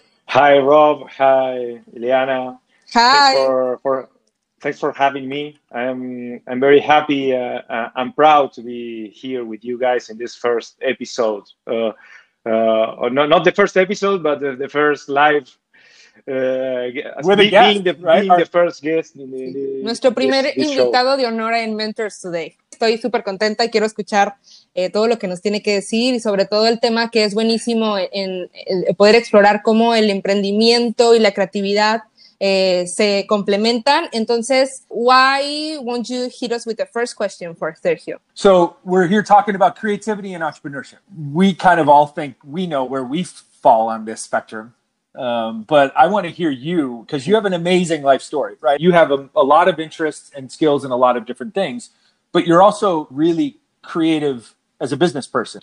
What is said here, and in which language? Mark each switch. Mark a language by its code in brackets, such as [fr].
[en] Hi, Rob. Hi, Ileana. Hi. Thanks for having me. I'm very happy. I'm proud to be here with you guys in this first episode. Not the first episode, but the first live. The first guest. [es] Nuestro primer invitado de honor en Mentors Today. Estoy súper contenta y quiero escuchar todo lo que nos tiene que decir y sobre todo el tema que es buenísimo en poder explorar cómo el emprendimiento y la creatividad se complementan. Entonces, [en] why won't you hit us with the first question for Sergio? So we're here talking about creativity and entrepreneurship. We kind of all think we know where we fall on this spectrum. But I want to hear you because you have an amazing life story, right? You have a lot of interests and skills in a lot of different things, but you're also really creative as a business person.